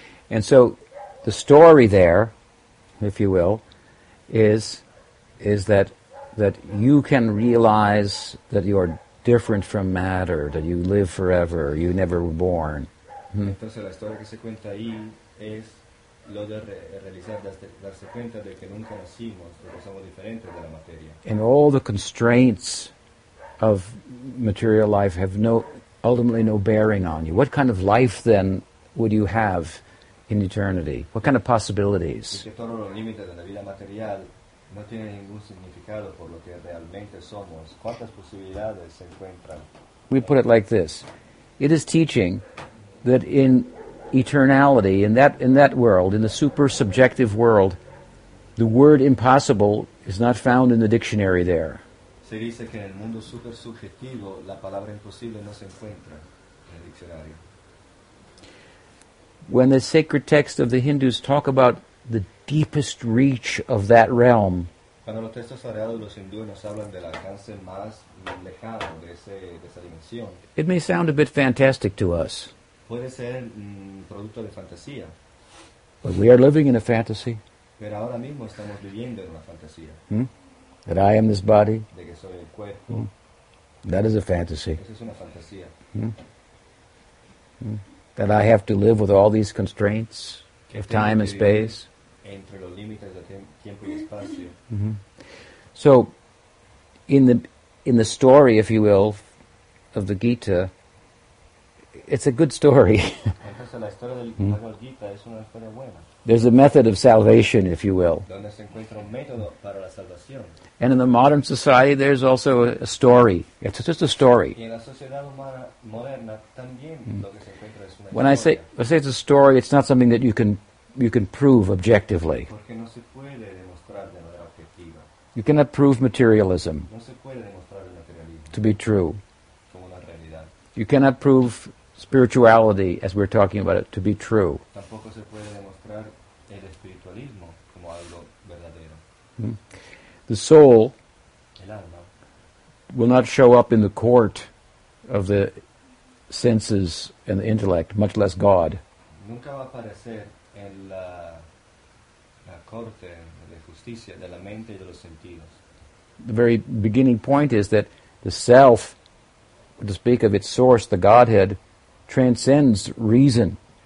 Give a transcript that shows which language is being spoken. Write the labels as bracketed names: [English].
[English] And so the story there, if you will, is that you can realize that you are different from matter, that you live forever, you never were born. [Spanish] Entonces la historia que se cuenta ahí es lo de realizar, darse cuenta de que nunca nacimos, de que somos diferentes de la materia. [English] And all the constraints of material life have ultimately no bearing on you. What kind of life then would you have in eternity? What kind of possibilities? [Spanish] Y que todos los límites de la vida material no tiene ningún significado por lo que realmente somos. ¿Cuántas posibilidades se encuentran? [English] We put it like this. It is teaching that in eternality, in that world, in the super subjective world, the word impossible is not found in the dictionary there. [Spanish] Se dice que en el mundo super subjetivo la palabra imposible no se encuentra en el diccionario. [English] When the sacred texts of the Hindus talk about the deepest reach of that realm, [Spanish] cuando los textos sagrados de los hindúes nos hablan del alcance más lejano de esa dimensión, [English] it may sound a bit fantastic to us. [Spanish] Puede ser producto de fantasía. [English] But we are living in a fantasy. [Spanish] Pero ahora mismo estamos viviendo en una fantasía. [English] That I am this body. [Spanish] De que soy el cuerpo. [English] That is a fantasy. [Spanish] Esa es una fantasía. [English] That I have to live with all these constraints of time and space. [Spanish] Entre los límites de tiempo y espacio. [English] So, in the story, if you will, of the Gita, it's a good story. [Spanish] Entonces, la historia del Gita es una historia buena. [English] There's a method of salvation, if you will. [Spanish] Donde se encuentra un método para la salvación. [English] And in the modern society, there's also a story. It's just a story. [Spanish] Y en la sociedad humana moderna, también lo que se encuentra es una [English] when [Spanish] historia. [English] I say it's a story, it's not something that you can prove objectively. [Spanish] Porque no se puede demostrar de manera objetiva. [English] You cannot prove materialism. [Spanish] No se puede demostrar el materialismo. [English] To be true. [Spanish] Como la realidad. [English] You cannot prove spirituality, as we're talking about it, to be true. [Spanish] Tampoco se puede demostrar el espiritualismo como algo verdadero. [English] The soul, [Spanish] el alma, [English] will not show up in the court of the senses and the intellect, much less God. [Spanish] Nunca va a aparecer en la corte de justicia de la mente y de los sentidos. [English] The very beginning point is that the self, to speak of its source, the Godhead, transcends reason.